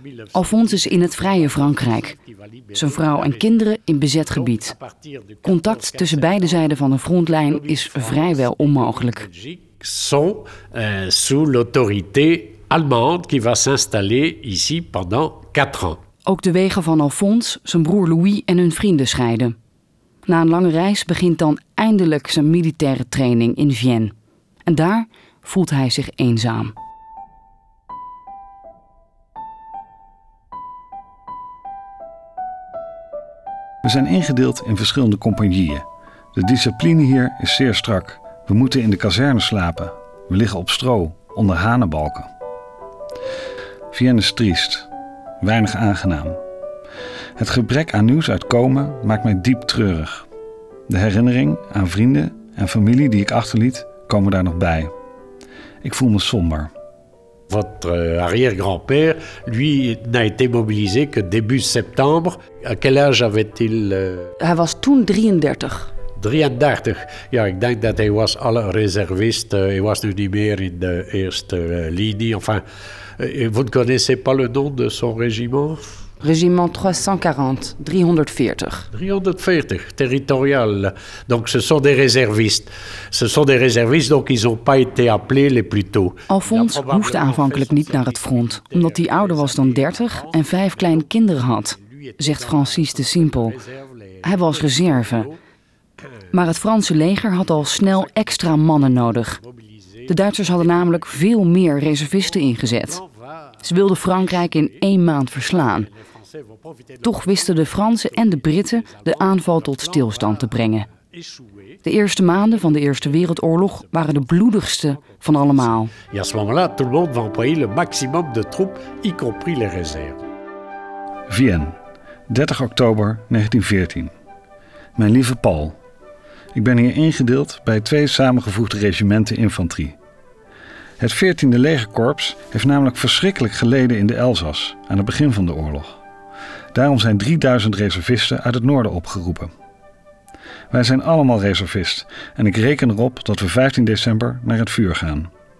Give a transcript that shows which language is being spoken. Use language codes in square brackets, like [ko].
[nl] Alphonse is in het vrije Frankrijk. Zijn vrouw en kinderen in bezet gebied. Contact tussen beide zijden van de frontlijn is vrijwel onmogelijk. [fr] Sont sous l'autorité allemande qui va s'installer ici pendant 4 ans. [nl] Ook de wegen van Alphonse, zijn broer Louis en hun vrienden scheiden. Na een lange reis begint dan eindelijk zijn militaire training in Vienne. En daar voelt hij zich eenzaam. We zijn ingedeeld in verschillende compagnieën. De discipline hier is zeer strak. We moeten in de kazerne slapen. We liggen op stro, onder hanenbalken. Vienne is triest. Weinig aangenaam. Het gebrek aan nieuws uit Komen maakt mij diep treurig. De herinnering aan vrienden en familie die ik achterliet, komen daar nog bij. Ik voel me somber. [fr] Votre arrière-grand-père, lui, n'a été mobilisé que début septembre. À quel âge avait-il? [nl] Hij was toen 33. 33. Ja, ik denk dat hij was al reservist. Hij was nu niet meer in de eerste linie. [fr] Enfin, vous ne connaissez pas le nom de son régiment? [nl] Regiment 340, 340. [fr] 340, territorial. Donc ce sont des réservistes. Ce sont des réservistes, donc ils n'ont pas été appelés les plus tôt. [nl] Alphonse hoefde aanvankelijk niet naar het front, omdat hij ouder was dan 30 en 5 kleinkinderen had, zegt Francis de Simpel. Hij was reserve. Maar het Franse leger had al snel extra mannen nodig. De Duitsers hadden namelijk veel meer reservisten ingezet. Ze wilden Frankrijk in 1 maand verslaan. Toch wisten de Fransen en de Britten de aanval tot stilstand te brengen. De eerste maanden van de Eerste Wereldoorlog waren de bloedigste van allemaal. [fr] À ce moment-là, tout le monde va employer le maximum de troupes, y compris les réserves. [nl] Vienne, 30 oktober 1914. Mijn lieve Paul, ik ben hier ingedeeld bij 2 samengevoegde regimenten infanterie. Het 14e legerkorps heeft namelijk verschrikkelijk geleden in de Elzas aan het begin van de oorlog. Daarom zijn 3000 reservisten uit het noorden opgeroepen. Wij zijn allemaal reservist en ik reken erop dat we 15 december naar het vuur gaan.